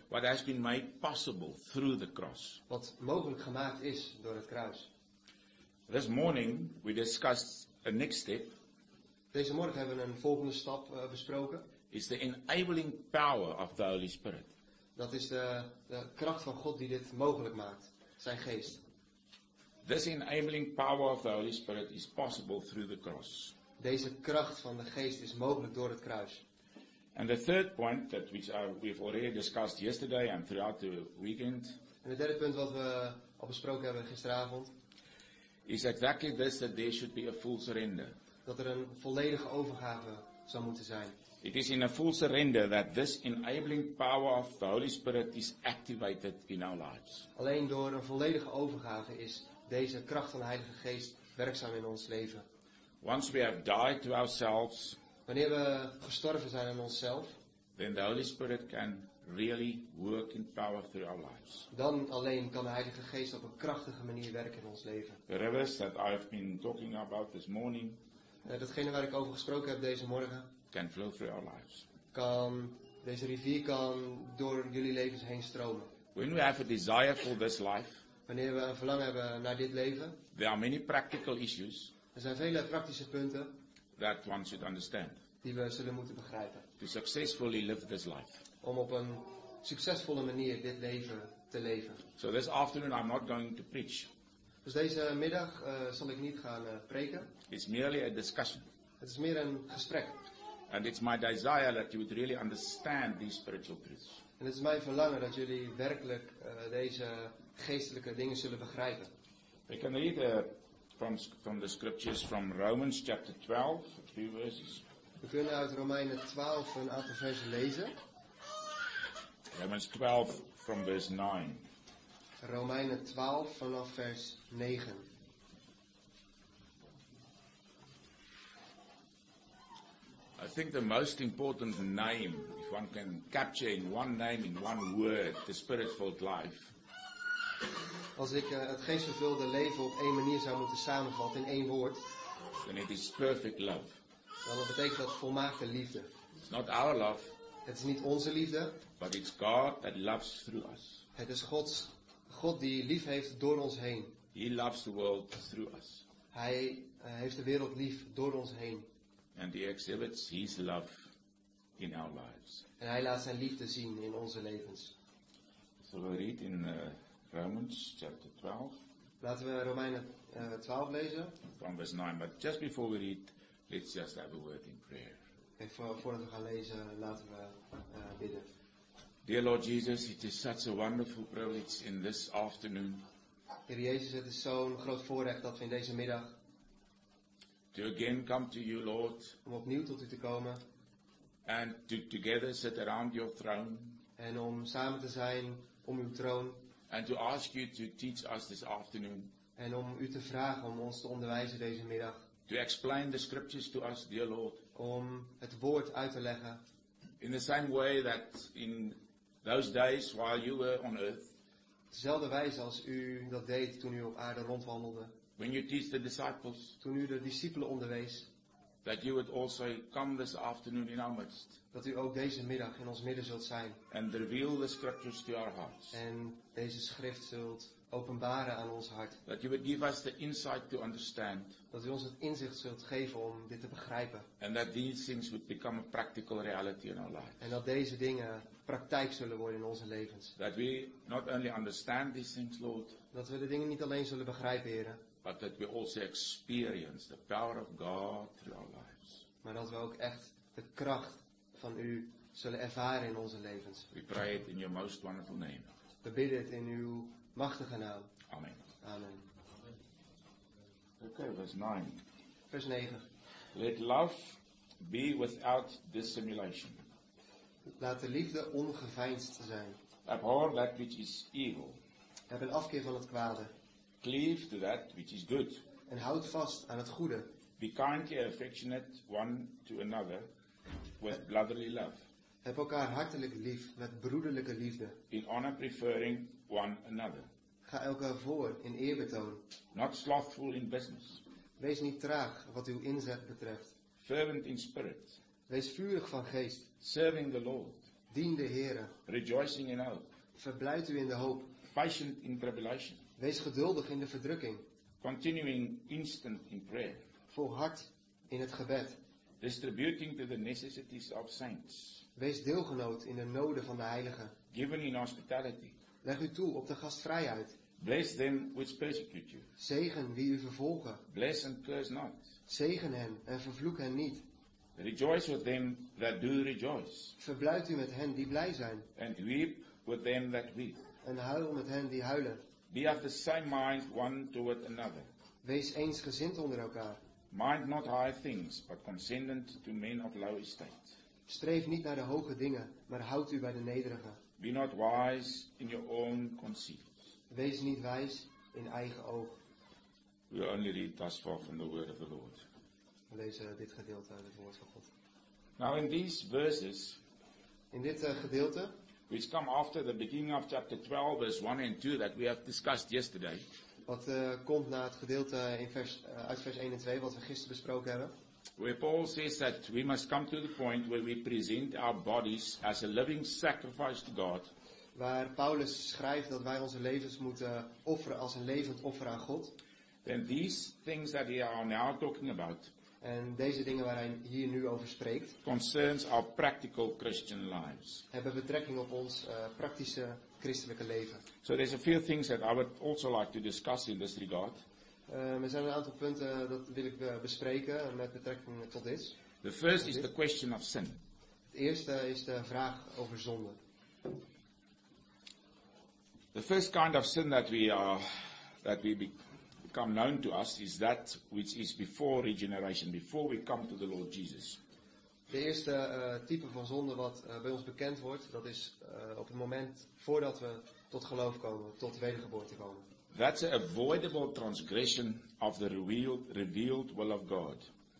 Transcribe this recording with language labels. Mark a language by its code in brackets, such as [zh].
[en] What has been made possible through the cross. [nl] Wat mogelijk gemaakt is door het kruis. [en] This morning we discussed a next step. [nl] Deze morgen hebben we een volgende stap besproken. [en] Is the enabling power of the Holy Spirit. [nl] Dat is de kracht van God die dit mogelijk maakt, zijn geest. [en] This enabling power of the Holy Spirit is possible through the cross. [nl] Deze kracht van de geest is mogelijk door het kruis. [en] And the third point that we've already discussed yesterday and throughout the weekend. [nl] En het derde punt wat we al besproken hebben gisteravond. [en] Is exactly this, that there should be a full surrender. [nl] Dat er een volledige overgave zou moeten zijn. [en] It is in a full surrender that this enabling power of the Holy Spirit is activated in our lives. [nl] Alleen door een volledige overgave is deze kracht van de Heilige Geest werkzaam in ons leven. [en] Once we have died to ourselves. [nl] Wanneer we gestorven zijn aan onszelf. [en] Then the Holy Spirit can really work in power through our lives. [nl] Dan alleen kan de Heilige Geest op een krachtige manier werken in ons leven. [en] The rivers that I've been talking about this morning. [nl] Datgene waar ik over gesproken heb deze morgen. [en] Can flow through our lives. [nl] Kan, deze rivier kan door jullie levens heen stromen. [en] When we have a desire for this life. [nl] Wanneer we een verlangen hebben naar dit leven. [en] There are many practical issues. [nl] Er zijn vele praktische punten. [en] That one should understand. [nl] Die we zullen moeten begrijpen. [en] To successfully live this life. [nl] Om op een succesvolle manier dit leven te leven. [en] So this afternoon I'm not going to preach. [nl] Dus deze middag zal ik niet gaan preken. [en] It's merely a discussion. [nl] Het is meer een gesprek. [en] And it's my desire that you would really understand these spiritual truths. [nl] En het is mijn verlangen dat jullie werkelijk deze geestelijke dingen zullen begrijpen. [en] We can read from the scriptures from Romans chapter 12, a few verses. [nl] We kunnen uit Romeinen 12 een aantal versen lezen. [en] Romans 12 from verse 9. [nl] Romeinen 12 vanaf vers 9. [en] I think the most important name, if one can capture in one name, in one word, the Spirit-filled life. [nl] Als ik het geestvervulde leven op één manier zou moeten samenvatten in één woord. [en] Then it is perfect love. [nl] Dan dat betekent dat volmaakte liefde. [en] It's not our love. [nl] Het is niet onze liefde. [en] But it's God that loves through us. [nl] Het is God die lief heeft door ons heen. [en] He loves the world through us. [nl] Hij heeft de wereld lief door ons heen. [en] And he exhibits his love in our lives. [nl] En hij laat zijn liefde zien in onze levens. [en] So we read in Romans chapter 12. [nl] Laten we Romeinen 12 lezen. [en] From verse 9. But just before we read, let's just have a word in prayer. [nl] En voordat we gaan lezen, laten we bidden. [en] Dear Lord Jesus, it is such a wonderful privilege in this afternoon. [nl] Heer Jezus, het is zo'n groot voorrecht dat we in deze middag. [en] To again come to you, Lord. [nl] Om opnieuw tot u te komen. [en] And to together sit around your throne. [nl] En om samen te zijn om uw troon. [en] And to ask you to teach us this afternoon. [nl] En om u te vragen om ons te onderwijzen deze middag. [en] To explain the scriptures to us, dear Lord. [nl] Om het woord uit te leggen. [en] In the same way that in those days while you were on earth. [nl] Dezelfde wijze als u dat deed toen u op aarde rondwandelde. [en] When you teach the disciples, [nl] toen u de discipelen onderwees, [en] that you would also come this afternoon in our midst, [nl] dat u ook deze middag in ons midden zult zijn, [en] and reveal the scriptures to our hearts, [nl] en deze schrift zult openbaren aan ons hart, [en] that you would give us the insight to understand, [nl] dat u ons het inzicht zult geven om dit te begrijpen, [en] and that these things would become a practical reality in our lives, [nl] en dat deze dingen praktijk zullen worden in onze levens, [en] that we not only understand these things, Lord, [nl] dat we de dingen niet alleen zullen begrijpen, Heren. [en] But that we also experience the power of God through our lives. [nl] Maar dat we ook echt de kracht van u zullen ervaren in onze levens. [en] We pray it in your most wonderful name. [nl] We bidden het in uw machtige naam. [en] Amen. [nl] Amen. [en] Okay, verse 9. [nl] Vers 9. [en] Let love be without dissimulation. [nl] Laat de liefde ongeveinsd zijn. [en] Abhor that which is evil. [nl] Heb een afkeer van het kwade. [en] Cleave to that which is good. [nl] En houd vast aan het goede. [en] Be kindly affectionate one to another with brotherly love. [nl] Heb elkaar hartelijk lief met broederlijke liefde. [en] In honor preferring one another. [nl] Ga elkaar voor in eerbetoon. [en] Not slothful in business. [nl] Wees niet traag wat uw inzet betreft. [en] Fervent in spirit. [nl] Wees vurig van geest. [en] Serving the Lord. [nl] Dien de Heere. [en] Rejoicing in hope. [nl] Verblijd u in de hoop. [en] Patient in tribulation. [nl] Wees geduldig in de verdrukking. [en] Continuing instant in prayer. [nl] Volhard in het gebed. [en] Distributing to the necessities of saints. [nl] Wees deelgenoot in de noden van de heiligen. [en] Given in hospitality. [nl] Leg u toe op de gastvrijheid. [en] Bless them which persecute you. [nl] Zegen wie u vervolgen. [en] Bless and curse not. [nl] Zegen hen en vervloek hen niet. [en] Rejoice with them that do rejoice. [nl] Verblijd u met hen die blij zijn. [en] And weep with them that weep. [nl] En huil met hen die huilen. [en] Be of the same mind one toward another. [nl] Wees eensgezind onder elkaar. [en] Mind not high things, but condescend to men of low estate. [nl] Streef niet naar de hoge dingen, maar houd u bij de nederige. [en] Be not wise in your own conceit. [nl] Wees niet wijs in eigen oog. [en] We only read thus far from the word of the Lord. [nl] We lezen dit gedeelte uit het woord van God. [en] Now in these verses, [nl] in dit gedeelte, [en] which come after the beginning of chapter 12, verse 1 and 2 that we have discussed yesterday. [nl] Wat komt na het gedeelte in vers, uit vers 1 en 2 wat we gisteren besproken hebben. [en] Where Paul says that we must come to the point where we present our bodies as a living sacrifice to God. [nl] Waar Paulus schrijft dat wij onze levens moeten offeren als een levend offer aan God. [en] Then these things that we are now talking about. [nl] En deze dingen waar hij hier nu over spreekt. [en] Concerns our practical Christian lives. [nl] Hebben betrekking op ons praktische christelijke leven. [en] So there's a few things that I would also like to discuss in this regard. [nl] Er zijn een aantal punten dat wil ik bespreken met betrekking tot dit. [en] The first is the question of sin. [nl] Het eerste is de vraag over zonde. [en] The first kind of sin that become known to us is that which is before regeneration, before we come to the Lord Jesus. [nl] De eerste type van zonde wat bij ons bekend wordt, dat is op het moment voordat we tot geloof komen, tot wedergeboorte komen. [en] That's an avoidable transgression of the revealed will of God.